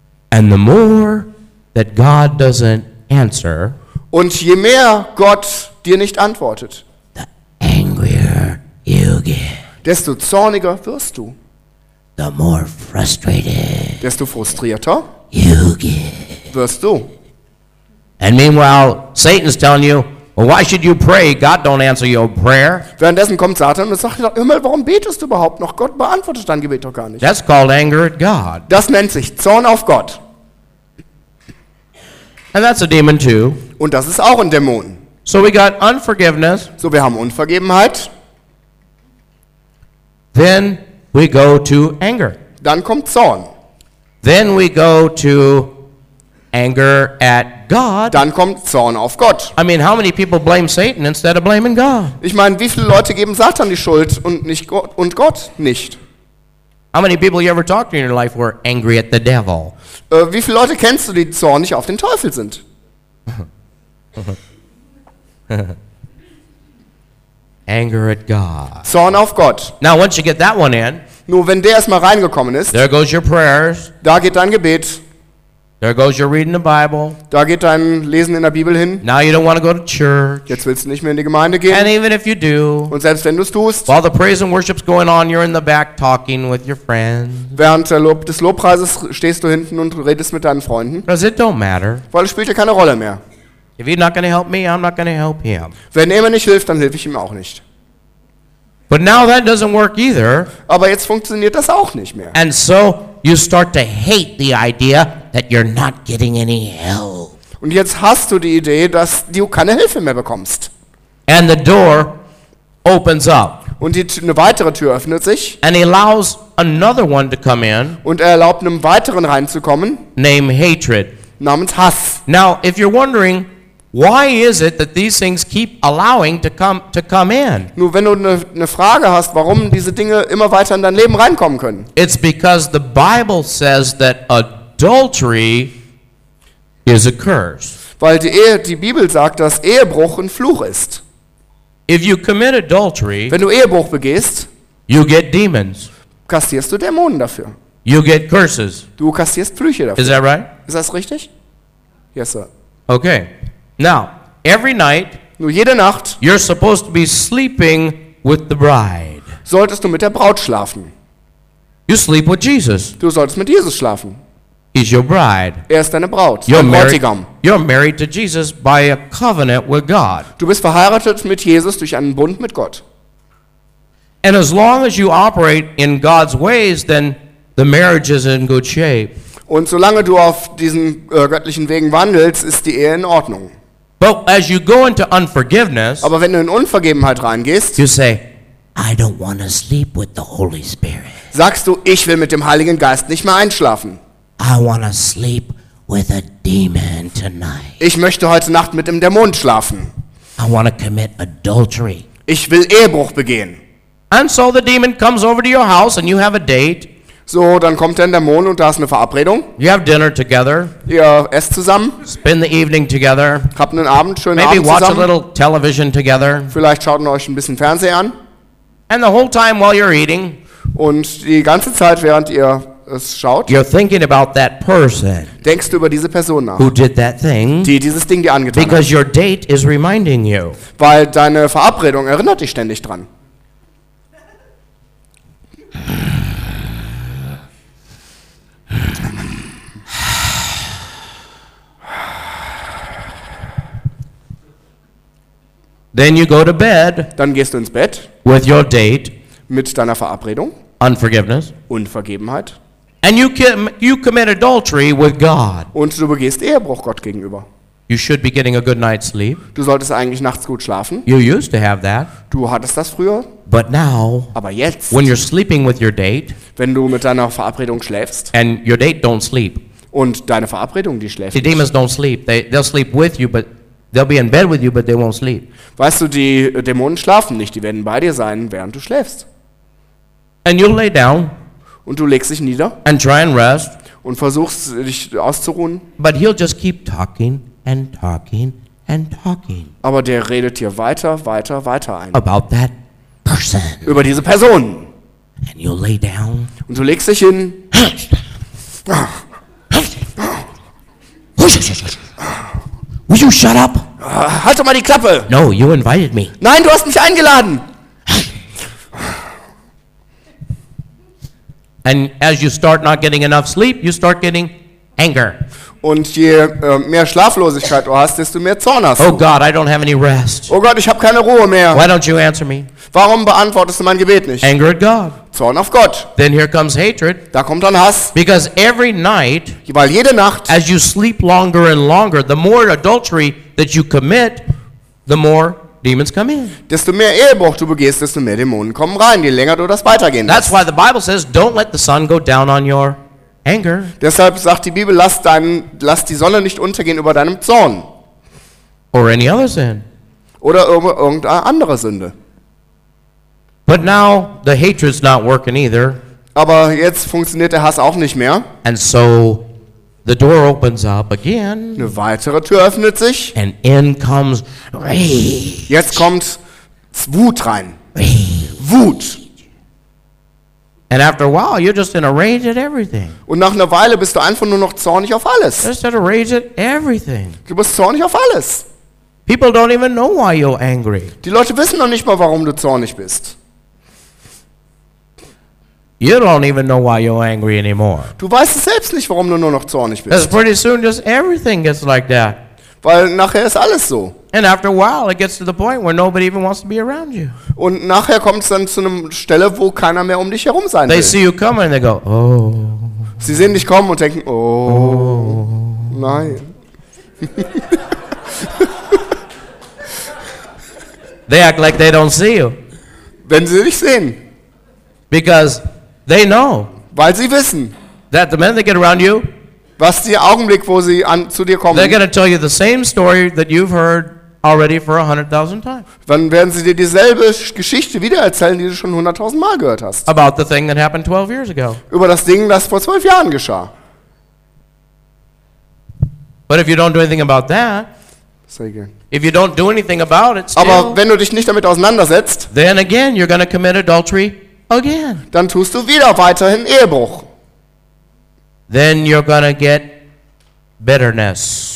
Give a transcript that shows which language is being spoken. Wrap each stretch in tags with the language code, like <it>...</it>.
<en>And the more that God doesn't answer,</en> <de>und je mehr Gott dir nicht antwortet,</de> <en>the angrier you get,</en> <de>desto zorniger wirst du.</de> <en>The more frustrated,</en> <de>desto frustrierter</de> <en>you get,</en> <de>wirst du.</de> <en>And meanwhile, Satan's telling you, well, why should you pray? God don't answer your prayer.</en> <de>Währenddessen kommt Satan und sagt: Himmel, warum betest du überhaupt noch? Gott beantwortet dein Gebet doch gar nicht.</de> <en>That's called anger at God.</en> <de>Das nennt sich Zorn auf Gott.</de> <en>And that's a demon too.</en> <de>Und das ist auch ein Dämon.</de> <en>So we got unforgiveness.</en> <de>So wir haben Unvergebenheit.</de> <en>Then we go to anger.</en> <de>Dann kommt Zorn.</de> <en>Then we go to anger at God,</en> <de>dann kommt Zorn auf Gott.</de> <en>I mean, how many people blame Satan instead of blaming God?</en> <de>Ich meine, wie viele Leute geben Satan die Schuld und nicht Gott, und Gott nicht?</de> <en>How many people you ever talked to in your life were angry at the devil?</en> <de>Wie viele Leute kennst du, die zornig auf den Teufel sind?</de> <en>Anger at God.</en> <de>Zorn auf Gott.</de> <en>Now once you get that one in,</en> <de>nur wenn der erstmal reingekommen ist,</de> <en>there goes your prayers.</en> <de>Da geht dein Gebet.</de> <en>There goes your reading the Bible.</en> <de>Da geht dein Lesen in der Bibel hin.</de> <en>Now you don't want to go to church.</en> <de>Jetzt willst du nicht mehr in die Gemeinde gehen.</de> <en>And even if you do,</en> <de>und selbst wenn du es tust,</de> <en>while the praise and worship's going on, you're in the back talking with your friends.</en> <de>Während des Lobpreises stehst du hinten und redest mit deinen Freunden.</de> <en>Because it don't matter.</en> <de>Weil es spielt ja keine Rolle mehr.</de> <en>If he's not going to help me, I'm not going to help him.</en> <de>Wenn er mir nicht hilft, dann helfe ich ihm auch nicht.</de> <en>But now that doesn't work either.</en> <de>Aber jetzt funktioniert das auch nicht mehr.</de> <en>And so you start to hate the idea that you're not getting any help.</en> <de>Und jetzt hast du die Idee, dass du keine Hilfe mehr bekommst.</de> <en>And the door opens up.</en> <de>Und eine weitere Tür öffnet sich.</de> <en>And he allows another one to come in.</en> <de>Und er erlaubt einem weiteren reinzukommen.</de> <en>Name hatred.</en> <de>Namens Hass.</de> <en>Now, if you're wondering, why is it that these things keep allowing to come in?</en> <de>Nur wenn du eine Frage hast, warum diese Dinge immer weiter in dein Leben reinkommen können.</de> <en>It's because the Bible says that adultery is a curse.</en> <de>Weil die Bibel sagt, dass Ehebruch ein Fluch ist.</de> <en>If you commit adultery,</en> <de>wenn du Ehebruch begehst,</de> <en>you get demons.</en> <de>Kassierst du Dämonen dafür.</de> <en>You get curses.</en> <de>Du kassierst Flüche dafür.</de> <en>Is that right?</en> <de>Ist das richtig?</de> <en>Yes, sir. Okay. Now, every night,</en> <de>nur jede Nacht,</de> <en>you're supposed to be sleeping with the bride.</en> <de>Solltest du mit der Braut schlafen.</de> <en>You sleep with Jesus.</en> <de>Du solltest mit Jesus schlafen.</de> <en>He's your bride.</en> <de>Er ist deine Braut.</de> <en>You're married to Jesus by a covenant with God.</en> <de>Du bist verheiratet mit Jesus durch einen Bund mit Gott.</de> <en>And as long as you operate in God's ways, then the marriage is in good shape.</en> <de>Und solange du auf diesen göttlichen Wegen wandelst, ist die Ehe in Ordnung.</de> <en>But as you go into unforgiveness,</en> <de>aber wenn du in Unvergebenheit reingehst,</de> <en>you say, I don't want to sleep with the Holy Spirit.</en> <de>Sagst du, ich will mit dem Heiligen Geist nicht mehr einschlafen.</de> <en>I want to sleep with a demon tonight.</en> <de>Ich möchte heute Nacht mit dem Dämon schlafen.</de> <en>I want to commit adultery.</en> <de>Ich will Ehebruch begehen.</de> <en>And so the demon comes over to your house and you have a date.</en> <de>So, dann kommt dann der Mond und da ist eine Verabredung.</de> <en>You have dinner together.</en> <de>Ihr esst zusammen.</de> <en>Spend the evening together.</en> <de>Habt einen Abend, schönen</de> <en>Maybe</en> <de>Abend</de> <en>watch</en> <de>zusammen.</de> <en>A little television together.</en> <de>Vielleicht schaut ihr euch ein bisschen Fernsehen an.</de> <en>And the whole time while you're eating,</en> <de>und die ganze Zeit, während ihr es schaut,</de> <en>you're thinking about that person,</en> <de>denkst du über diese Person nach,</de> <en>who did that thing,</en> <de>die dieses Ding dir angetan</de> <en>because</en> <de>hat.</de> <en>Your date is reminding you.</en> <de>Weil deine Verabredung erinnert dich ständig dran.</de> <en>Then you go to bed.</en> <de>Dann gehst du ins Bett.</de> <en>With your date.</en> <de>Mit deiner Verabredung.</de> <en>Unforgiveness.</en> <de>Unvergebenheit.</de> <en>And you commit adultery with God.</en> <de>Und du begehst Ehebruch Gott gegenüber.</de> <en>You should be getting a good night's sleep.</en> <de>Du solltest eigentlich nachts gut schlafen.</de> <en>You used to have that.</en> <de>Du hattest das früher.</de> <en>But now.</en> <de>Aber jetzt.</de> <en>When you're sleeping with your date.</en> <de>Wenn du mit deiner Verabredung schläfst.</de> <en>And your date don't sleep.</en> <de>Und deine Verabredung die schläft.</de> <en>The demons don't sleep. They'll sleep with you, but they'll be in bed with you, but they won't sleep.</en> <de>Weißt du, die Dämonen schlafen nicht. Die werden bei dir sein, während du schläfst.</de> <en>And you'll lay down.</en> <de>Und du legst dich nieder.</de> <en>And try and rest.</en> <de>Und versuchst, dich auszuruhen.</de> <en>But he'll just keep talking and talking and talking.</en> <de>Aber der redet dir weiter, weiter, weiter ein.</de> <en>About that person.</en> <de>Über diese Person.</de> <en>And you'll lay down.</en> <de>Und du legst dich hin.</de> <en>Will you shut up?</en> <de>Halt doch mal die Klappe.</de> <en>No, you invited me.</en> <de>Nein, du hast mich eingeladen.</de> <en>And as you start not getting enough sleep, you start getting anger.</en> <de>Und je mehr Schlaflosigkeit du hast, desto mehr Zorn hast du.</de> <en>Oh God, I don't have any rest.</en> <de>Oh Gott, ich habe keine Ruhe mehr.</de> <en>Why don't you answer me?</en> <de>Warum beantwortest du mein Gebet nicht?</de> <en>Anger at God.</en> <de>Zorn auf Gott.</de> <en>Then here comes hatred.</en> <de>Da kommt dann Hass.</de> <en>Because every night,</en> <de>weil jede Nacht,</de> <en>as you sleep longer and longer, the more adultery that you commit, the more demons come in.</en> <de>Desto mehr Ehebruch du begehst, desto mehr Dämonen kommen rein. Je länger du das weitergehen lässt.</de> <en>That's why the Bible says, don't let the sun go down on your anger.</en> <de>Deshalb sagt die Bibel, lass die Sonne nicht untergehen über deinem Zorn.</de> <en>Or any other sin.</en> <de>Oder irgendeine andere Sünde.</de> <en>But now the hatred's not working either.</en> <de>Aber jetzt funktioniert der Hass auch nicht mehr.</de> <en>And so the door opens up again.</en> <de>Eine weitere Tür öffnet sich.</de> <en>And in comes rage.</en> <de>Jetzt kommt Wut rein.</de> <en>Rage.</en> <de>Wut.</de> <en>And after a while, you're just in a rage at everything.</en> <de>Und nach einer Weile bist du einfach nur noch zornig auf alles.</de> <en>Just in a rage at everything.</en> <de>Du bist zornig auf alles.</de> <en>People don't even know why you're angry.</en> <de>Die Leute wissen noch nicht mal, warum du zornig bist.</de> <en>You don't even know why you're angry anymore.</en> <de>Du weißt selbst nicht, warum du nur noch zornig bist.</de> <en>Because pretty soon just everything gets like that.</en> <de>Weil nachher ist alles so.</de> <en>And after a while it gets to the point where nobody even wants to be around you.</en> <de>Und nachher kommt's dann zu einer Stelle, wo keiner mehr um dich herum sein will.</de> <en>They see you come and they go, "Oh."</en> <de>Sie sehen dich kommen und denken, "Oh." Oh. Nein.</de> <en>They act like they don't see you.</en> <de>Wenn sie dich sehen.</de> <en>Because they know.</en> <de>Weil sie wissen.</de> <en>That the minute they get around you,</en> <de>was der Augenblick, wo sie zu dir kommen.</de> <en>They're going to tell you the same story that you've heard already for 100,000 times.</en> <de>Dann werden sie dir dieselbe Geschichte wieder erzählen, die du schon 100,000 Mal gehört hast.</de> <en>About the thing that happened 12 years ago.</en> <de>Über das Ding, das vor 12 Jahren geschah.</de> <en>But if you don't do anything about that, say again. If you don't do anything about it, still,</en> <de>aber wenn du dich nicht damit auseinandersetzt,</de> <en>then again you're going to commit adultery again.</en> <de>Dann tust du wieder weiterhin Ehebruch.</de> <en>Then you're gonna get bitterness.</en>